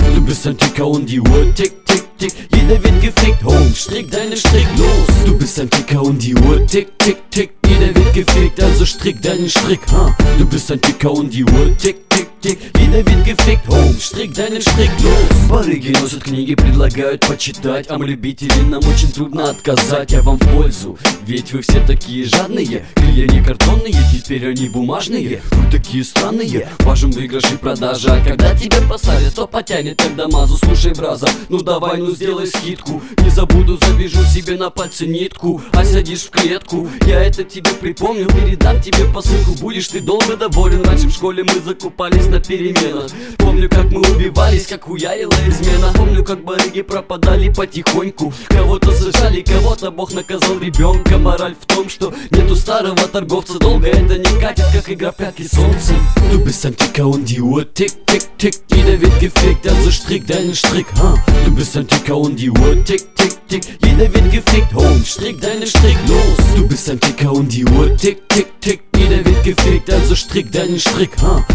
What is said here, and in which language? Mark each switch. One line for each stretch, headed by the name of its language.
German: Du bist ein Ticker und die Uhr tick, tick, tick. Jeder wird gefickt, ho, strick deinen Strick, los. Du bist ein Ticker und die Uhr tick, tick, tick. Jeder wird gefickt, also strick deinen Strick, ha. Du bist ein Ticker und die Uhr tick, tick, tick. Jeder wird gefickt, ho, strick deinen Strick, los.
Russian: Барыги носят книги, предлагают почитать. Ам любителей нам очень трудно отказать. Я вам в пользу, ведь вы все такие жадные. Крылья не картонные, теперь они бумажные. Вы такие странные, важен выигрыш и продажа. Когда тебя посадят, то потянет, тогда мазу. Слушай, браза, ну давай, ну сделай скидку. Не забуду, завяжу себе на пальце нитку. А сядешь в клетку, я это тебе припомню. Передам тебе посылку, будешь ты долго доволен. Раньше в школе мы закупались на переменах. Помню, как мы убивались, как хуярила измена. Помню, как барыги пропадали потихоньку. Кого-то сажали, кого-то бог наказал ребенка. Мораль в том, что нету старого торговца. Долго это не катит, как игра в пятки солнце.
German: Du bist ein Ticker und die Uhr tick, tick, tick. Jeder wird gefickt, also strick deinen Strick, ha. Du bist ein Ticker und die Uhr tick, tick, tick. Jeder wird gefickt, ho, strick deinen Strick, los. Du bist ein Ticker und die Uhr tick, tick, tick. Jeder wird gefickt, also strick deinen Strick, ha.